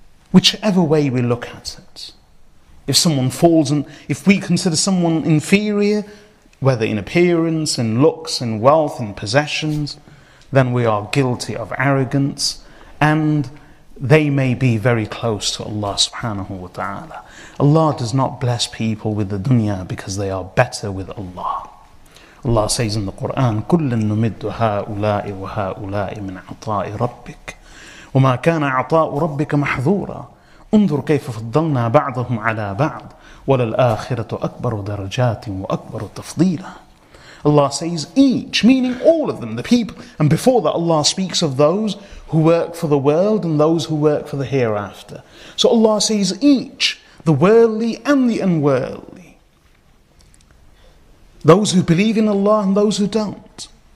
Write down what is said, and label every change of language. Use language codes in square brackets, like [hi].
[en] Whichever way we look at it, if someone falls, and if we consider someone inferior, whether in appearance, in looks, in wealth, in possessions, then we are guilty of arrogance, and they may be very close to Allah subhanahu wa ta'ala. Allah does not bless people with the dunya because they are better with Allah. Allah says in the Quran, [ar] كُلَّن نُمِدُّ هَٰؤُلَاءِ وَهَٰؤُلَاءِ مِنْ عَطَاءِ رَبِّكَ وَمَا كَانَ عَطَاءُ رَبِّكَ مَحْظُورًا انظر كيف فضلنا بعضهم على بعض وللآخرة أكبر درجات وأكبر تفضيلا. [en] Allah says, each, meaning all of them, the people, and before that Allah speaks of those who work for the world and those who work for the hereafter. So Allah says, each, the worldly and the unworldly, those who believe in Allah and those who don't.